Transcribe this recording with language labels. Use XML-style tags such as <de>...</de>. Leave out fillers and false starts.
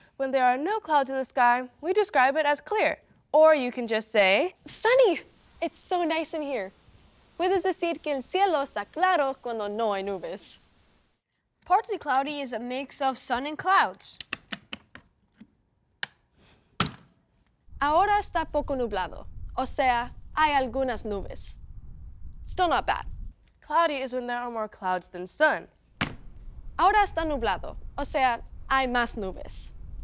<en>When there are no clouds in the sky, we describe it as clear. Or you can just say, sunny! It's so nice in here.</en> <es>Puedes decir que el cielo está claro cuando no hay nubes.</es> <en>Partly cloudy is a mix of sun and clouds.</en> <es>Ahora está poco nublado, o sea, hay algunas nubes.</es> <en>Still not bad. Cloudy is when there are more clouds than sun.</en> <es>Ahora está nublado, o sea, hay más nubes.</es>